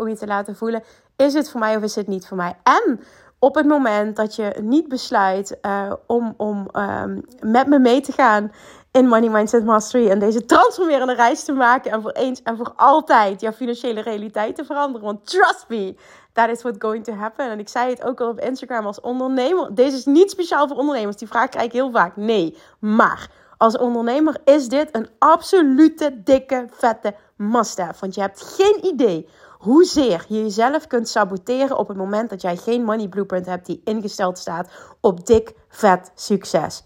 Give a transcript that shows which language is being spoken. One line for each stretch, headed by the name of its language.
Dutch: Om je te laten voelen, is het voor mij of is het niet voor mij? En... op het moment dat je niet besluit om met me mee te gaan in Money Mindset Mastery... en deze transformerende reis te maken en voor eens en voor altijd jouw financiële realiteit te veranderen.
English: Want trust me, that is what's going to happen.
Dutch: En ik zei het ook al op Instagram als ondernemer. Deze is niet speciaal voor ondernemers. Die vraag krijg ik heel vaak. Nee, maar als ondernemer is dit een absolute dikke vette must-have. Want je hebt geen idee... hoezeer je jezelf kunt saboteren op het moment dat jij geen money blueprint hebt die ingesteld staat op dik vet succes.